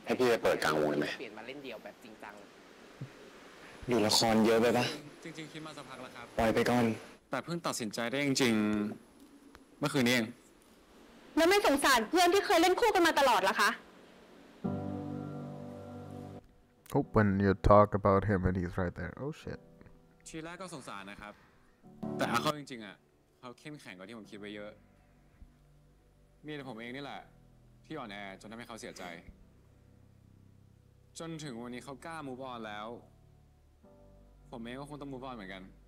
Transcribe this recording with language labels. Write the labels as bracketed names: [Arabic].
[Thai] ให้พี่ไปเปิดกลางวงได้มั้ย เปลี่ยนมาเล่นเดี่ยวแบบจริงจัง ดูละครเยอะไปป่ะ จริงๆคิดมาสักพักแล้วครับ ปล่อยไปก่อน แต่เพิ่งตัดสินใจได้จริงๆเมื่อคืนนี้เอง แล้วไม่สงสารเพื่อนที่เคยเล่นคู่กันมาตลอดล่ะคะ [English] Oh when you talk about him and he's right there oh shit [Thai] ชีแรกก็สงสารนะครับแต่เขาจริงๆอ่ะเขาเข้มแข็งกว่าที่ผมคิดไว้เยอะมีแต่ผมเองนี่แหละที่อ่อนแอจนทำให้เขาเสียใจจนถึงวันนี้เขากล้ามูฟออนแล้วผมเองก็คงต้องมูฟออนเหมือนกัน